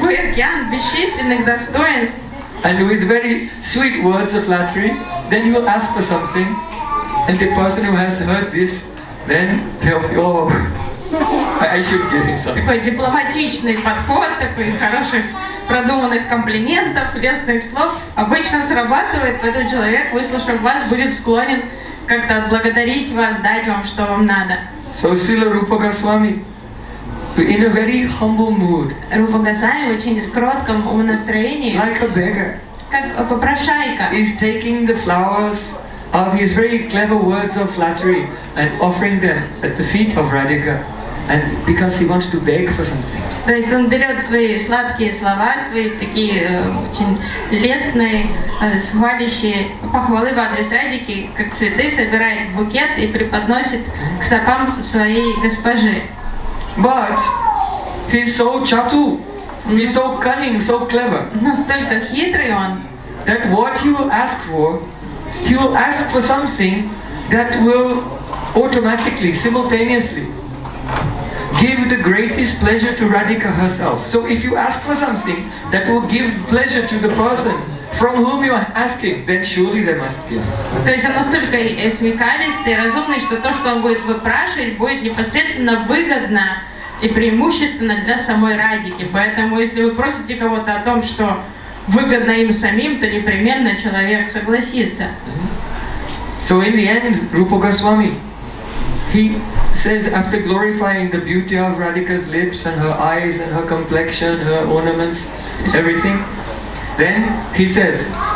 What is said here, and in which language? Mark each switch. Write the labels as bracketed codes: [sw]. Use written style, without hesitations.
[ru] Вы океан бесчисленных достоинств. [en] And with very sweet words of flattery, then you will ask for something, and the person who has heard this, then they'll feel, oh, I should give him something. [ru] Такой дипломатичный подход, такой хороший. Продуманных комплиментов, лестных слов обычно срабатывает, этот человек, выслушав вас, будет склонен как-то отблагодарить вас, дать вам, что вам надо. [en] So Srila Rupa Goswami, in a very humble mood. [ru] Рупа Госвами в очень кротком настроении. [en] Like a beggar. [ru] Как попрошайка. [en] He's taking the flowers of his very clever words of flattery and offering them at the feet of Radhika. And because he wants to beg for something. [ru] То есть он берет свои сладкие слова, свои такие очень лестные, хвалящие похвалы в адрес Радики, как цветы, собирает в букет и преподносит к стопам своей госпожи. [en] But he's so chatu, he's so cunning, so clever. [ru] Настолько хитрый он. [en] That what he will ask for something that will automatically, simultaneously, give the greatest pleasure to Radhika herself. So if you ask for something that will give pleasure to the person from whom you are asking, then surely there must be. [ru] То есть он настолько смекалистый и разумный, что то, что он будет выпрашивать, будет непосредственно выгодно и преимущественно для самой Радики. Поэтому если вы просите кого-то о том, что выгодно им самим, то непременно человек согласится. [en] So in the end, Rupa Goswami, he says, after glorifying the beauty of Radhika's lips and her eyes and her complexion, her ornaments, everything, then he says,